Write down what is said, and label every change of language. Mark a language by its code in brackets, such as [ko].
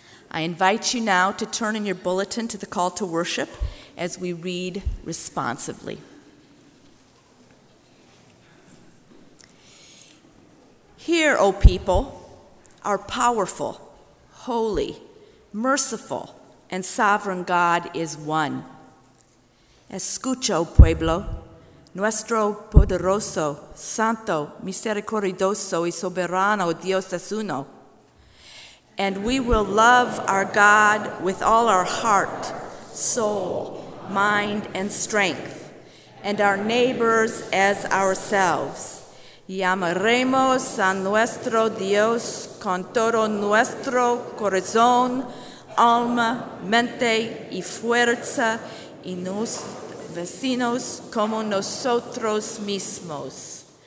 [en] I invite you now to turn in your bulletin to the call to worship as we read responsively. Hear, O people, our powerful, holy, merciful, and sovereign God is one. [es] Escucha, pueblo, nuestro poderoso, santo, misericordioso y soberano Dios es uno. [en] And we will love our God with all our heart, soul, mind, and strength, and our neighbors as ourselves. [es] Llamaremos a nuestro Dios con todo nuestro corazón, alma, mente y fuerza, y nos vecinos como nosotros mismos.